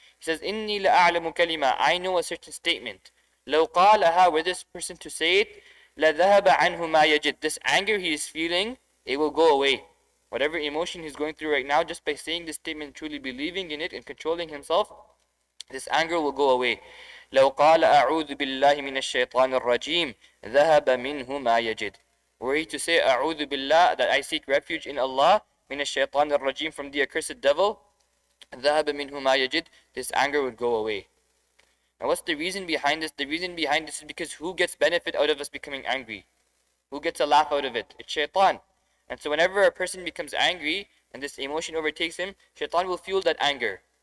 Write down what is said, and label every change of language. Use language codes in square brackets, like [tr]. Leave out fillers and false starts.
[en] He says, [ar] إِنِّي لَأَعْلَمُ كَلِمَةً, [en] I know a certain statement. [ar] لو قالها, [en] were this person to say it, [ar] لذهب عنه ما يجد. [en] This anger he is feeling, it will go away. Whatever emotion he's going through right now, just by saying this statement, truly believing in it and controlling himself, this anger will go away. [ar] لو قال أعوذ بالله من الشيطان الرجيم ذهب منه ما يجد. [en] Were he to say [ar] أعوذ بالله, [en] that I seek refuge in Allah, [ar] من الشيطان الرجيم, [en] from the accursed devil, [ar] ذهب منه ما يجد, [en] this anger would go away. Now, what's the reason behind this? The reason behind this is because who gets benefit out of us becoming angry? Who gets a laugh out of it? It's shaitan. And so whenever a person becomes angry and this emotion overtakes him, shaitan will fuel that anger.